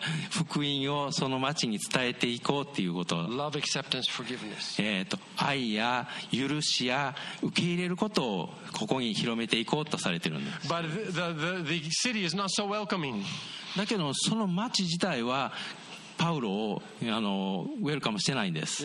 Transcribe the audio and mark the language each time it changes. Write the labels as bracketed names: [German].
[Japanese] 福音をその町に伝えていこうっていうこと。 [English] Love, acceptance, forgiveness. [Japanese] 愛や許しや受け入れることをここに広めていこうとされてるんです。 [English] But the city is not so welcoming. [Japanese] だけどその町自体はパウロをウェルカムしてないんです。